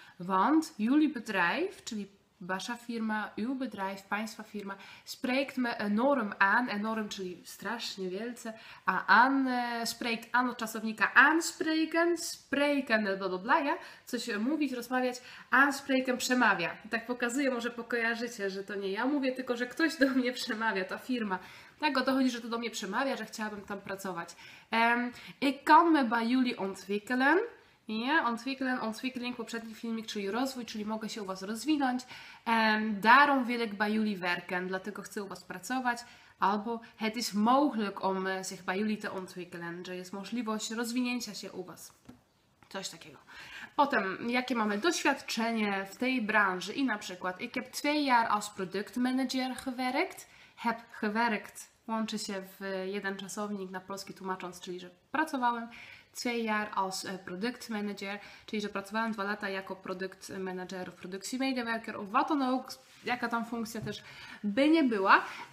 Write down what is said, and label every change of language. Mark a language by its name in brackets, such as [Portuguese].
[Dutch] Want jullie bedrijf, [Polish] czyli wasza firma, [Dutch] uw bedrijf, [Polish] państwa firma, [Dutch] spreekt me enorm aan, enorm, [Polish] czyli strasznie wielce, a an, spreekt an od czasownika aanspreken, bla bla bla, ja, coś mówić, rozmawiać, aanspreken przemawia. Tak pokazuję, może pokojarzycie, że to nie ja mówię, tylko że ktoś do mnie przemawia, ta firma. Tak, o to chodzi, że to do mnie przemawia, że chciałabym tam pracować. [Dutch] Ik kan me bij jullie ontwikkelen. [Polish] Nie, ontwikkeling, poprzedni filmik, czyli rozwój, czyli mogę się u Was rozwinąć. [Dutch] Darum will ik bij jullie werken, [Polish] dlatego chcę u Was pracować. Albo [Dutch] het is mogelijk om zich bij jullie te ontwikkelen, [Polish] że jest możliwość rozwinięcia się u Was. Coś takiego. Potem, jakie mamy doświadczenie w tej branży? I na przykład, [Dutch] ik heb 2 jaar als product manager gewerkt. [Polish] Heb gewerkt łączy się w jeden czasownik na polski tłumacząc, czyli że pracowałem. [Dutch] 2 jaar als product manager, [Polish] czyli że pracowałem 2 lata jako product manager w produkcji MediaWorker, [Dutch] of wat dan ook, [Polish] jaka tam funkcja też by nie była.